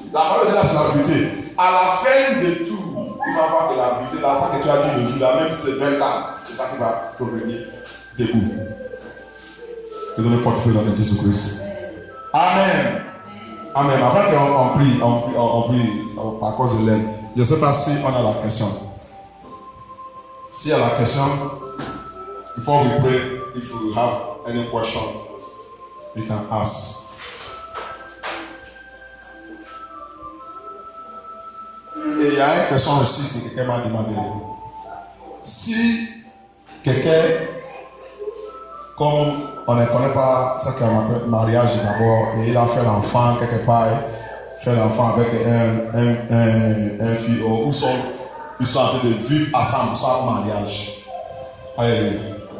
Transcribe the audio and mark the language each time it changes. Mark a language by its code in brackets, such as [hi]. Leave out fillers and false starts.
[fr] La parole de Dieu, c'est la vérité. À la fin de tout, il va voir que la vérité, là, ça que tu as dit le jour là, même si c'est 20 ans, c'est ça qui va provenir de vous. Et donc, il faut te faire dans le nom de Jésus-Christ. Amen. Amen. Avant qu'on prie, on prie par cause de l'aide, je ne sais pas si on a la question. Si il y a la question, [en] before we pray, if you have any question, you can ask. [fr] Et il y a une question aussi que quelqu'un m'a demandé. Si quelqu'un, comme on ne connaît pas ce qu'on appelle mariage d'abord, et il a fait l'enfant quelque part, fait l'enfant avec un fils, ou ils sont en train de vivre ensemble, sans mariage. Alléluia.